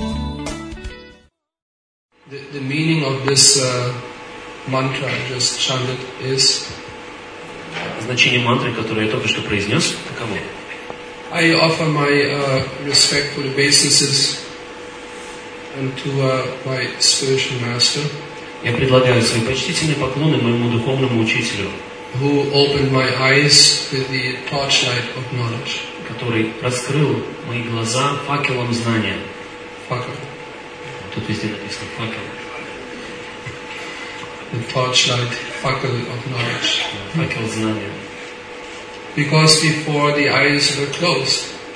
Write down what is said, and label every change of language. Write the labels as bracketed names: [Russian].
[English] The meaning of this mantra I just chanted is. [Russian] Значение мантры, которую я только что произнес, каково? [English] I offer my respectful obeisances unto my spiritual master. [Russian] Я предлагаю свои почтительные поклоны моему духовному учителю. [English] Who opened my eyes with the torchlight of knowledge. [Russian] Который раскрыл мои глаза факелом знания. Факел. Тут везде написано факел. [English] The torchlight, [Russian] факел [English] of knowledge. [Russian] Факел знания. [English] Because before the eyes were closed.